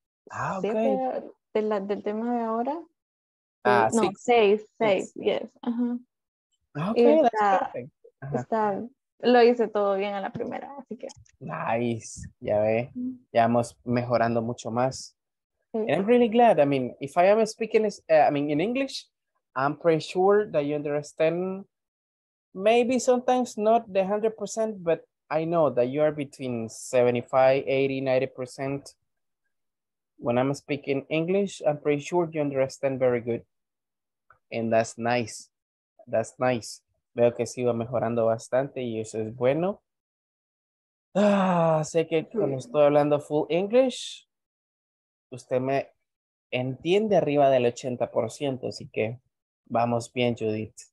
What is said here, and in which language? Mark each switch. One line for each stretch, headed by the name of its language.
Spanish: Ah, ok. Siete de la, del tema de ahora. Ah,
English: no, 6, yes. Ajá. Ok,
Spanish: está,
English: that's perfect.
Spanish: Está. Lo hice todo bien a la primera, así que. Nice, ya ve, ya vamos mejorando mucho más. Sí.
English: And I'm really glad, I mean, if I am speaking, in English, I'm pretty sure that you understand, maybe sometimes not the 100%, but I know that you are between 75, 80, 90%. When I'm speaking English, I'm pretty sure you understand very good. And that's nice, that's nice.
Spanish: Veo que sigo mejorando bastante y eso es bueno. Ah, sé que cuando estoy hablando full English, usted me entiende arriba del 80%, así que vamos bien, Judith.